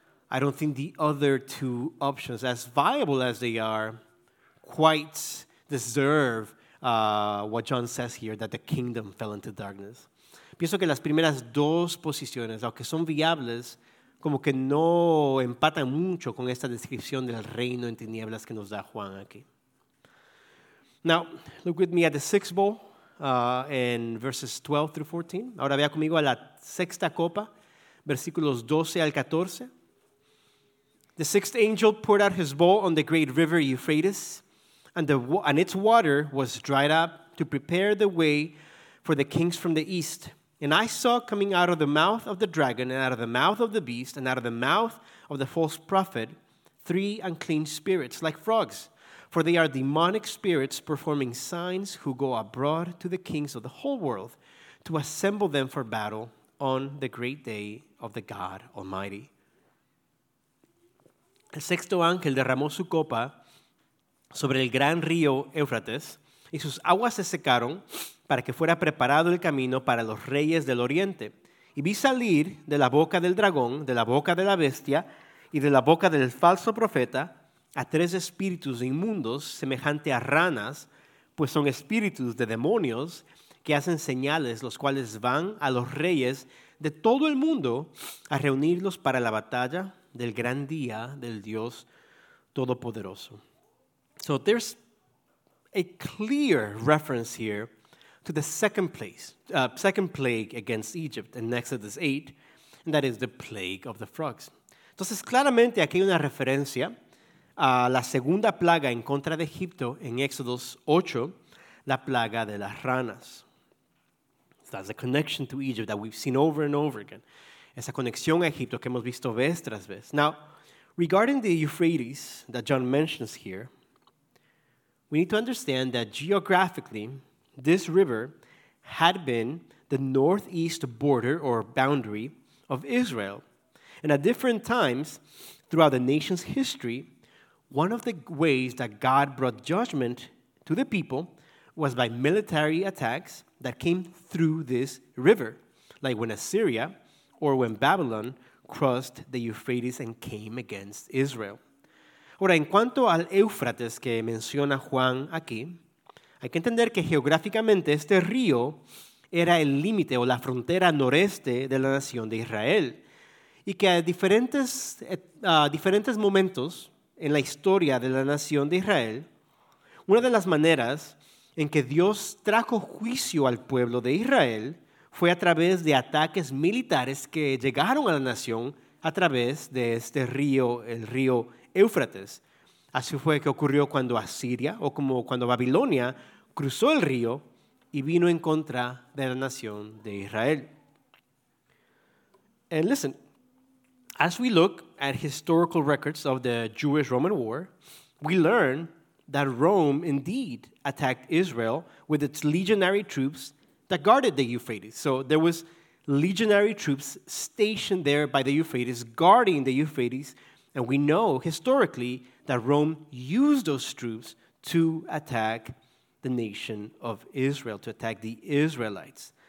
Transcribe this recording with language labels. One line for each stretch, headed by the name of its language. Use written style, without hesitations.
English: I don't think the other two options, as viable as they are, quite deserve what John says here, that the kingdom fell into darkness.
Spanish: pienso que las primeras dos posiciones, aunque son viables, como que no empatan mucho con esta descripción del reino en tinieblas que nos da Juan aquí.
English: Now, look with me at the sixth bowl in verses 12 through 14.
Spanish: Ahora vea conmigo a la sexta copa, versículos 12 al 14.
English: The sixth angel poured out his bowl on the great river Euphrates, and its water was dried up to prepare the way for the kings from the east. And I saw coming out of the mouth of the dragon, and out of the mouth of the beast, and out of the mouth of the false prophet, three unclean spirits like frogs. For they are demonic spirits performing signs who go abroad to the kings of the whole world to assemble them for battle on the great day of the God Almighty.
Spanish: El sexto ángel derramó su copa sobre el gran río Éufrates, y sus aguas se secaron para que fuera preparado el camino para los reyes del oriente. Y vi salir de la boca del dragón, de la boca de la bestia y de la boca del falso profeta a tres espíritus inmundos semejante a ranas, pues son espíritus de demonios que hacen señales, los cuales van a los reyes de todo el mundo a reunirlos para la batalla del gran día del Dios Todopoderoso.
English: So there's a clear reference here to the second plague against Egypt in Exodus 8, and that is the plague of the frogs.
Spanish: Entonces, claramente aquí hay una referencia a la segunda plaga en contra de Egipto en Exodus 8, la plaga de las ranas.
English: So that's the connection to Egypt that we've seen over and over again.
Spanish: Esa conexión a Egipto que hemos visto vez tras vez.
English: Now, regarding the Euphrates that John mentions here, we need to understand that geographically, this river had been the northeast border or boundary of Israel. And at different times throughout the nation's history, one of the ways that God brought judgment to the people was by military attacks that came through this river, like when Assyria or when Babylon crossed the Euphrates and came against Israel.
Spanish: Ahora, en cuanto al Éufrates que menciona Juan aquí, hay que entender que geográficamente este río era el límite o la frontera noreste de la nación de Israel, y que a diferentes momentos en la historia de la nación de Israel, una de las maneras en que Dios trajo juicio al pueblo de Israel fue a través de ataques militares que llegaron a la nación a través de este río, el río Éufrates. Así fue que ocurrió cuando Asiria, o como cuando Babilonia, cruzó el río y vino en contra de la nación de Israel.
English: And listen, as we look at historical records of the Jewish-Roman War, we learn that Rome indeed attacked Israel with its legionary troops that guarded the Euphrates. So there was legionary troops stationed there by the Euphrates, guarding the Euphrates, and we know historically that Rome used those troops to attack the nation of Israel, to attack the Israelites.